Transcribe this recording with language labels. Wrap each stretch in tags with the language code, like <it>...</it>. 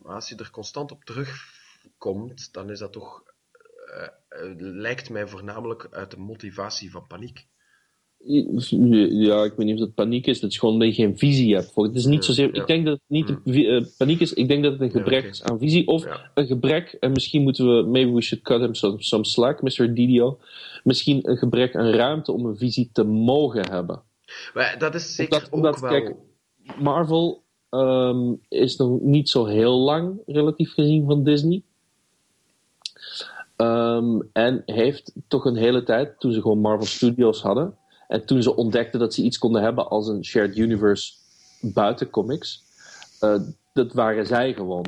<nl>Maar als je er constant op terugkomt, dan is dat toch... lijkt mij voornamelijk uit de motivatie van paniek. Ja, ik weet niet of dat paniek is. Dat je gewoon geen visie hebt. Het is niet zozeer... Ja. Ik denk dat het niet paniek is. Ik denk dat het een gebrek is aan visie. Of een gebrek... En misschien moeten we...</nl> <en>Maybe we should cut him some slack, Mr. Didio.</en> <nl>Misschien een gebrek aan ruimte om een visie te mogen hebben. Maar dat is zeker ook wel... Kijk, Marvel is nog niet zo heel lang, relatief gezien, van Disney. En heeft toch een hele tijd, toen ze gewoon Marvel Studios hadden, en toen ze ontdekten dat ze iets konden hebben als een shared universe buiten comics, dat waren zij gewoon.</nl>